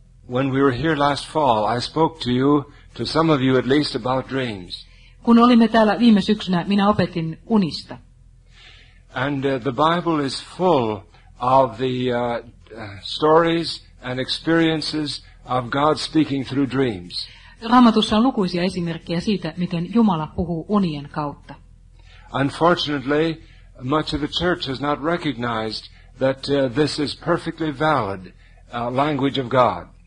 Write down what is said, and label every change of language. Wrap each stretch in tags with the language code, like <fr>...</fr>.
<en>When we were here last fall, I spoke to you, to some of you at least, about dreams.</en> <fi>Kun olimme täällä viime syksynä, minä opetin unista.</fi> <en>And the Bible is full of the stories and experiences of God speaking through dreams.</en> <fi>Raamatussa on lukuisia esimerkkejä siitä, miten Jumala puhuu unien kautta.</fi> <en>Unfortunately, much of the church has not recognized that this is perfectly valid language of God.</en>